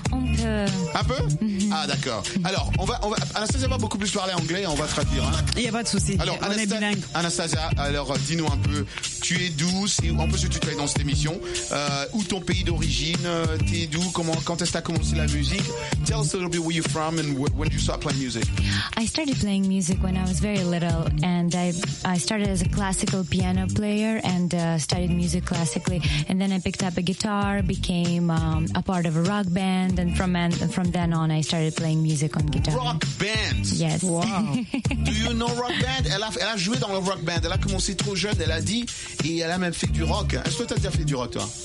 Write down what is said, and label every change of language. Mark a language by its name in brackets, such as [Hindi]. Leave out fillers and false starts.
[French] Un peu. Mm-hmm. Ah, d'accord. Alors, on va Anastasia va beaucoup plus parler anglais. On va traduire. Hein. Il n'y a pas de souci. Alors, on est bilingue. Anastasia, alors, dis-nous un peu. Tu es d'où? On peut se tutoyer dans cette émission. Où ton pays d'origine? T'es d'où? Quand est-ce que tu as commencé la musique? [English] Tell us a little bit where you're from and when did you start playing music? I started playing music when I was very little, and I started as a classical piano player and studied music classically. And then I picked up a guitar, became a part of a rock band, and from then on I started playing music on guitar. Rock band? Yes. Wow. [French] Do you know rock band? Elle a joué dans le rock band. Elle a commencé trop jeune, elle a dit, et elle a même fait du rock. Est-ce que tu as déjà fait du rock, toi?